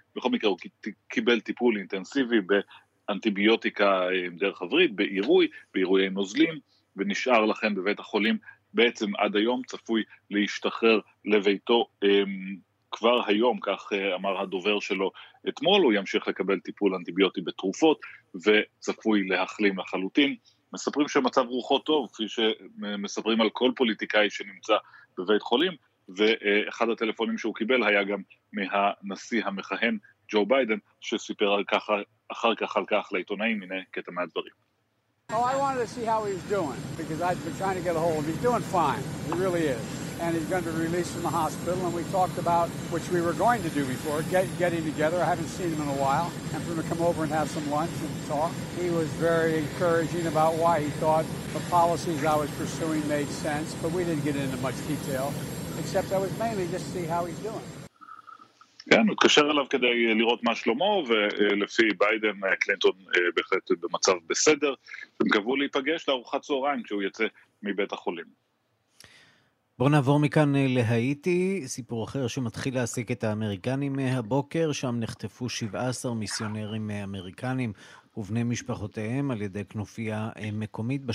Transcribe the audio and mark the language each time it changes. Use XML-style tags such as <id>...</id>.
<he>בכל מקרה, הוא קיבל טיפול אינטנסיבי באנטיביוטיקה דרך הברית, בעירוי, בעירויי נוזלים, ונשאר לכן בבית החולים בעצם עד היום, צפוי להשתחרר לביתו כבר היום, כך אמר הדובר שלו אתמול, הוא ימשיך לקבל טיפול אנטיביוטי בתרופות, וצפוי להחלים לחלוטין. מספרים שמצב רוחו טוב, כפי שמספרים על כל פוליטיקאי שנמצא בבית חולים, ואחד הטלפונים שהוא קיבל היה גם מהנשיא המכהן ג'ו ביידן, שסיפר על כך, אחר כך על כך לעיתונאים, הנה קטע מהדברים.</he> <en>Oh, I wanted to see how he's doing, because I've been trying to get a hold of him. He's doing fine, he really is. And he's going to be released from the hospital, and we talked about, which we were going to do before, getting together. I haven't seen him in a while. I'm going to come over and have some lunch and talk. He was very encouraging about why he thought the policies I was pursuing made sense, but we didn't get into much detail, except I was mainly just to see how he's doing.</en> <he>כן, הוא קשר אליו כדי לראות מה שלומו, ולפי ביידן, קלינטון בהחלט במצב בסדר. הם קבעו להיפגש לארוחת צהריים כשהוא יצא מבית החולים. בואו נעבור מכאן להאיטי, סיפור אחר שמתחיל להעסיק את האמריקנים מהבוקר, שם נחטפו 17 מיסיונרים אמריקנים ובני משפחותיהם על ידי כנופיה מקומית.</he>